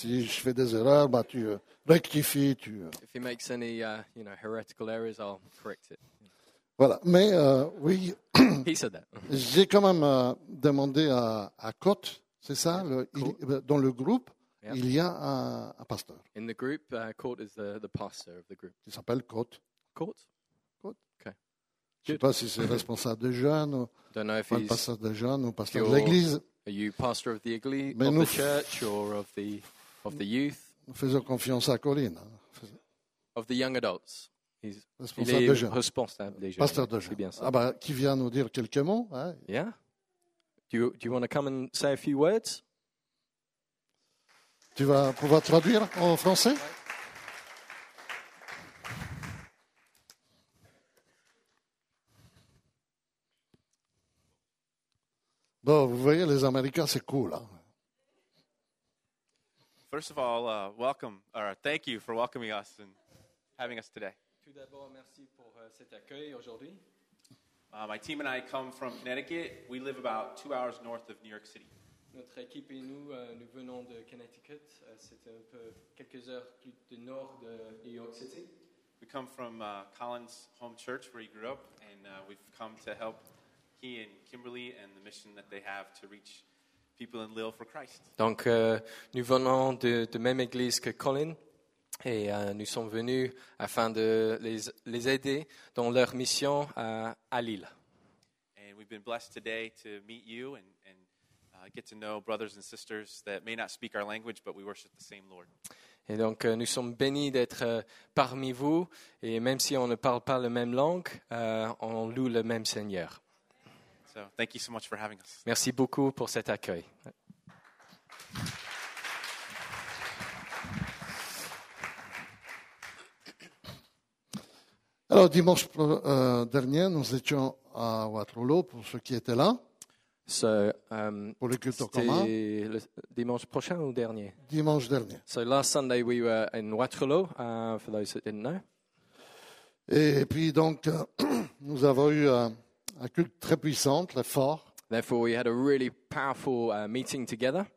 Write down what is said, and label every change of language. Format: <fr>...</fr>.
<fr>Si je fais des erreurs, bah, tu rectifies, tu.</fr> <en>If he makes any, you know, heretical errors, I'll correct it.</en> <fr>Voilà, mais oui.</fr> <en>He said that.</en> <fr>J'ai quand même demandé à Cote, c'est ça, dans le groupe, yeah. Il y a un pasteur.</fr> <en>In the group, Cote is the pastor of the group.</en> <fr>Il s'appelle Cote. Cote. Cote.</fr> <en>Okay.</en> <fr>Je ne sais pas si c'est responsable de jeunes ou</fr> <en>don't know if he's</en> <fr>pastor de jeunes ou pasteur de l'église.</fr> <en>Are you pastor of the église, of the church or of the youth?</en> <fr>Nous faisons confiance à Corinne.</fr> <en>Of the young adults. He's</en> <fr>responsable de jeunes. Responsable des jeunes. Pasteur de jeunes. Ah bah, qui vient nous dire quelques mots, hein?</fr> <en>Yeah. Do you want to come and say a few words?</en> <fr>Tu vas pouvoir traduire en français? Bon, vous voyez, les Américains, c'est cool. Hein?</fr> <en>First of all, welcome, or thank you for welcoming us and having us today.</en> <fr>Tout d'abord, merci pour cet accueil aujourd'hui.</fr> <en>My team and I come from Connecticut. We live about 2 hours north of New York City.</en> <fr>Notre équipe et nous, nous venons de Connecticut. C'est un peu quelques heures plus de nord de New York City.</fr> <en>We come from Colin's home church where he grew up, and we've come to help he and Kimberly and the mission that they have to reach people in Lille for Christ.</en> <fr>Donc nous venons de même église que Colin et nous sommes venus afin de les aider dans leur mission à Lille.</fr> <en>And we've been blessed today to meet you and get to know brothers and sisters that may not speak our language but we worship the same Lord.</en> <fr>Et donc nous sommes bénis d'être parmi vous et même si on ne parle pas la même langue, on loue le même Seigneur.</fr> <en>So thank you so much for having us.</en> <fr>Merci beaucoup pour cet accueil. Alors dimanche dernier, nous étions à Waterloo pour ceux qui étaient là.</fr> <en>So,</en> <fr>pour le culte commun. C'était le dimanche prochain ou dernier? Dimanche dernier.</fr> <en>So last Sunday we were in Waterloo. For those that didn't know.</en> <fr>Et puis donc nous avons eu un culte très puissant, très fort.</fr> <en>Therefore, we had a really powerful meeting together.</en>